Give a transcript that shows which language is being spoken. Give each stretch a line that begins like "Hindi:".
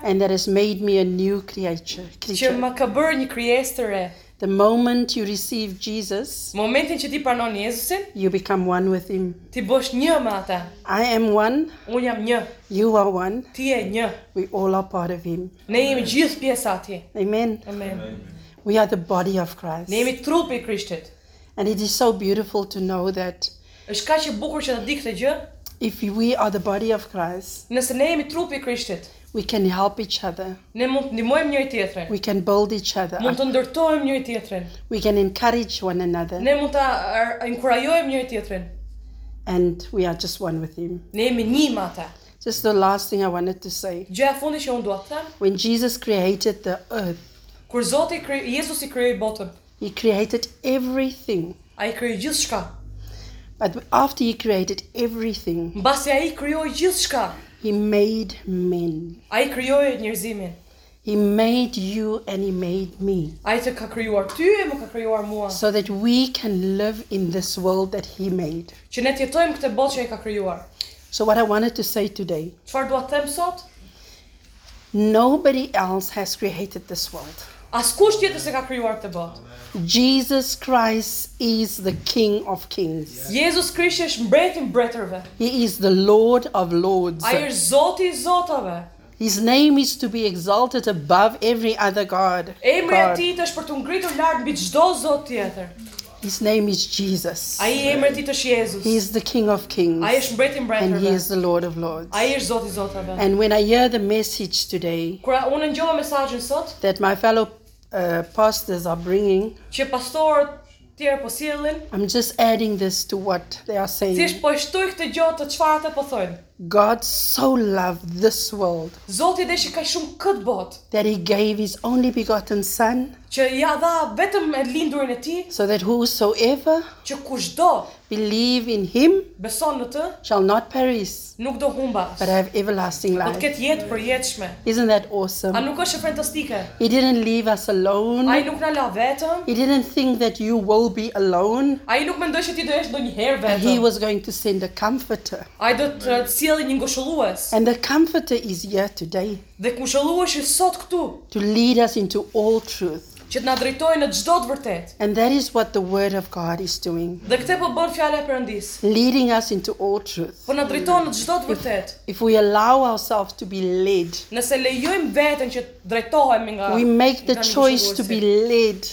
English: And that has made me a new creature.
Albanian: Që më ka bërë një krijesë të re.
English: The moment you receive Jesus,
Albanian: momentin që ti pranon Jezusin,
English: you become one with him.
Albanian: Ti bosh një me atë.
English: I am one.
Albanian: Unë jam një.
English: You are one.
Albanian: Ti je një.
English: We all are part of him.
Albanian: Ne jemi gjithë pjesa e tij.
English: Amen.
Albanian: Amen.
English: We are the body of Christ.
Albanian: Ne jemi trupi I Krishtit.
English: And it is so beautiful to know that.
Albanian: Është kaq e bukur që ta di këtë gjë.
English: If we are the body of Christ.
Albanian: Nëse ne jemi trupi I Krishtit.
English: We can help each other.
Albanian: Ne mund ndihmojmë njëri tjetrin.
English: We can build each other.
Albanian: Mund të ndërtohemi njëri tjetrin.
English: We can encourage one another.
Albanian: Ne mund ta inkurajojmë njëri tjetrin.
English: And we are just one with him.
Albanian: Ne jemi një me atë.
English: Just the last thing I wanted to say.
Albanian: Gjëja e fundit që unë dua të them.
English: When Jesus created the earth.
Albanian: Kur Zoti Jezus I krijoi botën.
English: He created everything.
Albanian: Ai krijoi gjithçka.
English: But after he created everything.
Albanian: Mbasi ai krijoi gjithçka.
English: He made men.
Albanian: Ai krijoi njerëzimin.
English: He made you and he made me.
Albanian: Ai të ka krijuar ty e më ka krijuar mua.
English: So that we can live in this world that he made.
Albanian: Që ne të jetojmë këtë botë që ai ka krijuar.
English: So what I wanted to say today.
Albanian: Çfarë dua të them sot?
English: Nobody else has created this world.
Albanian: Askush tjetër s'e ka krijuar këtë botë.
English: Jesus Christ is the King of Kings.
Albanian: Jezus Krishti është mbreti I mbretërve.
English: He is the Lord of Lords.
Albanian: Ai është Zoti I zotave.
English: His name is to be exalted above every other god.
Albanian: Emri I tij është për të ngritur lart mbi çdo zot tjetër.
English: His name is Jesus.
Albanian: Ai emri I tij është Jezus.
English: He is the King of Kings.
Albanian: Ai është mbreti I mbretërve.
English: And he is the Lord of Lords.
Albanian: Ai është Zoti I zotave.
English: And when I hear the message today.
Albanian: Kur unë ngjova mesazhin sot.
English: That my fellow pastors are bringing.
Albanian: Që pastorët tjerë po sjellin.
English: I'm just adding this to what they are saying.
Albanian: Thjesht po shtoj këtë gjë të çfarë ata po thonë.
English: God so loved this world.
Albanian: Zoti dashi ka shumë kët botë.
English: That he gave his only begotten son.
Albanian: Që ia dha vetëm e lindurin e tij.
English: So that whosoever.
Albanian: Që kushdo.
English: Believe in him.
Albanian: Beson në të.
English: Shall not perish.
Albanian: Nuk do humbas.
English: But have everlasting life.
Albanian: Do të ketë jetë përjetshme.
English: Isn't that awesome?
Albanian: A nuk është fantastike?
English: He didn't leave us alone.
Albanian: Ai nuk na la vetëm.
English: He didn't think that you will be alone.
Albanian: Ai nuk mendoi se ti do jesh ndonjëherë vetëm.
English: He was going to send a comforter.
Albanian: Ai do të sjellë një ngushëllues.
English: And the comforter is here today.
Albanian: Dhe ngushëllueshi sot këtu.
English: To lead us into all truth.
Albanian: Që të na drejtojë në çdo të vërtetë.
English: And that is what the word of God is doing.
Albanian: Dhe këtë po bën fjala e Perëndisë.
English: Leading us into all truth.
Albanian: Po na drejton në çdo të vërtetë.
English: If we allow ourselves to be led.
Albanian: Nëse lejojmë veten që drejtohemi nga.
English: We make the choice to be led.